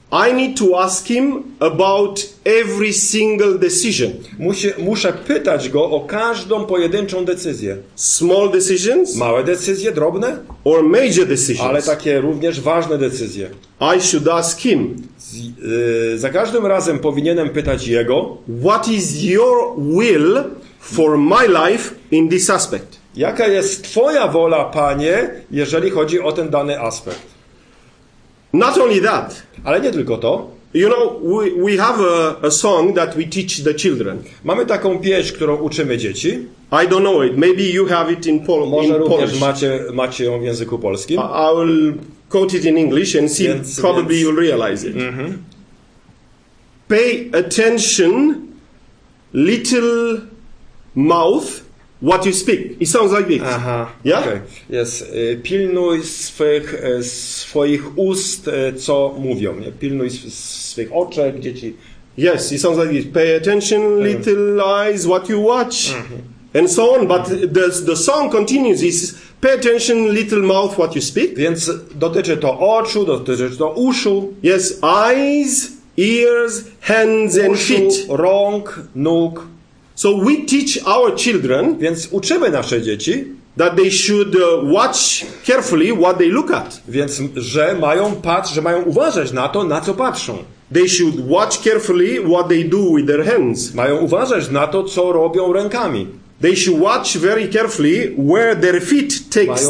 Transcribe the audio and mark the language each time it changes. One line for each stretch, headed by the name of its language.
English: I need to ask him about every single decision.
Polish: Muszę pytać go o każdą pojedynczą decyzję.
English: Small decisions?
Polish: Małe decyzje, drobne?
English: Or major decisions?
Polish: Ale takie również ważne decyzje.
English: I should ask him.
Polish: Za każdym razem powinienem pytać jego.
English: What is your will for my life in this aspect?
Polish: Jaka jest twoja wola, Panie, jeżeli chodzi o ten dany aspekt?
English: Not only that.
Polish: Ale nie tylko to.
English: You know, we have a song that we teach the children.
Polish: Mamy taką pieśń, którą uczymy dzieci.
English: I don't know it. Maybe you have it in Polish.
Polish: Może również macie ją w języku polskim.
English: I will quote it in English and see. Probably you'll realize it. Mm-hmm. Pay attention, little mouth, what you speak. It sounds like this. Aha. Yeah? Okay. Yes.
Polish: Pilnuj swoich ust, co mówią. Nie? Pilnuj swoich oczek, dzieci.
English: Yes, it sounds like this. Pay attention, little eyes, what you watch. Mm-hmm. And so on. But the song continues. It's pay attention, little mouth, what you speak.
Polish: Więc dotyczy to oczu, dotyczy to uszu.
English: Yes, eyes, ears, hands
Polish: uszu,
English: and feet.
Polish: Rąk, nóg.
English: So we teach our children,
Polish: więc uczymy nasze dzieci,
English: that they should watch carefully what they look at.
Polish: Więc że mają uważać na to, na co patrzą.
English: They should watch carefully what they do with their hands.
Polish: Mają uważać na to, co robią rękami.
English: They should watch very carefully where their feet takes